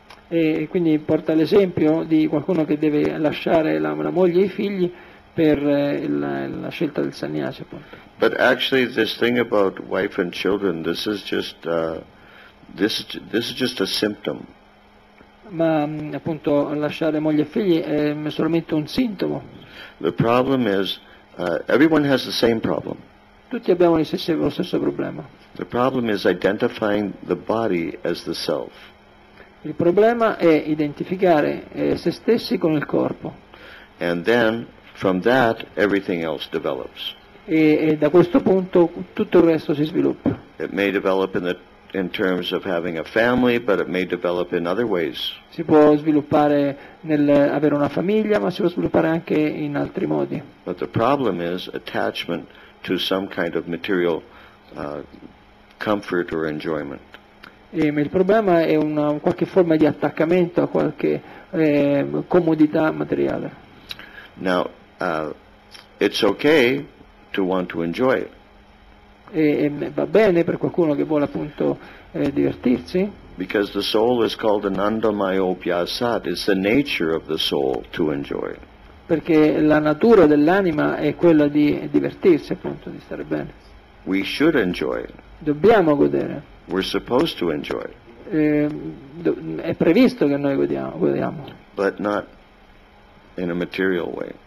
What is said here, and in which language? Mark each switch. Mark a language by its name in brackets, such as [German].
[Italian] E quindi porta l'esempio di qualcuno che deve lasciare la moglie e i figli per la scelta del sannyasi, appunto. [English] But actually this thing about wife and children, this is just a symptom. [Italian] Ma appunto lasciare moglie e figli è solamente un sintomo. [English] The problem is everyone has the same problem. [Italian] Tutti abbiamo lo stesso problema. [English] The problem is identifying the body as the self. [Italian] Il problema è identificare se stessi con il corpo. [English] And then from that everything else develops. [Italian] E da questo punto tutto il resto si sviluppa. [English] It may develop in terms of having a family, but it may develop in other ways. [Italian] Si può sviluppare nel avere una famiglia, ma si può sviluppare anche in altri modi. [English] But the problem is attachment to some kind of material comfort or enjoyment. [Italian] E il problema è una qualche forma di attaccamento a qualche comodità materiale. [English] Now, it's okay to want to enjoy it. [Italian] E va bene per qualcuno che vuole appunto divertirsi. [English] Because the soul is called anandamayo pyasat. It's the nature of the soul to enjoy. [Italian] Perché la natura dell'anima è quella di divertirsi, appunto, di stare bene. [English] We should enjoy. [Italian] Dobbiamo godere. [English] We're supposed to enjoy. [Italian] È previsto che noi godiamo. [English] But not in a material way.